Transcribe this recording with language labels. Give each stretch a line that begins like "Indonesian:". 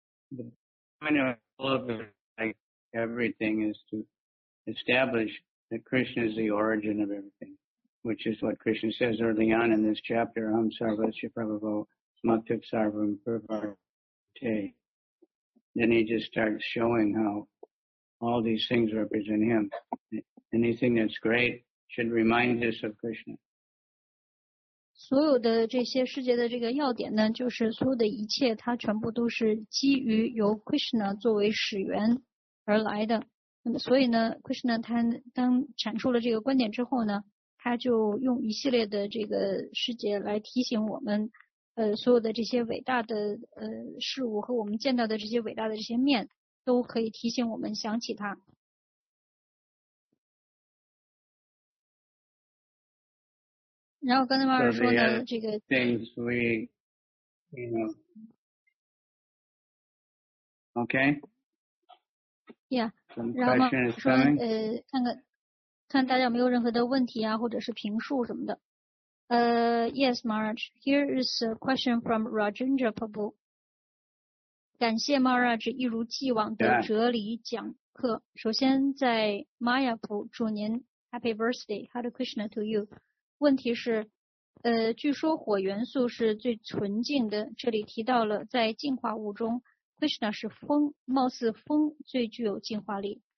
English: The point of all of it, like everything, is to establish that Krishna is the origin of everything, which is what Krishna says early on in this chapter,
Sanskrit: Aham Sarvasya Prabhavo. Smaktiv Sarvam Purvarte.
English: Then he just starts showing how all these things represent him. Anything that's great should remind us of Krishna.
Chinese: 所有的这些世界的这个要点呢，就是所有的一切它全部都是基于由 Krishna 作为始源而来的。那么所以呢 ,Krishna 他当阐述了这个观点之后呢，他就用一系列的这个世界来提醒我们所有的这些伟大的事物和我们见到的这些伟大的这些面都可以提醒我们想起它。然后刚才马尔说的这个
English: things we, you know. Okay. Yeah.
Chinese: 然后马尔说看大家有没有任何的问题啊或者是评述什么的。
English: Yes, Maharaj. Here is a question from Rajendra Prabhu.
Chinese: 感谢 Maharaj 一如既往的哲理讲课。
English: Yeah.
Chinese: 首先在 Mayapur 祝您
English: Happy Birthday,
Chinese: Hare Krishna to you. 问题是据说火元素是最纯净的，这里提到了在净化物中 Krishna 是风，貌似风最具有净化力。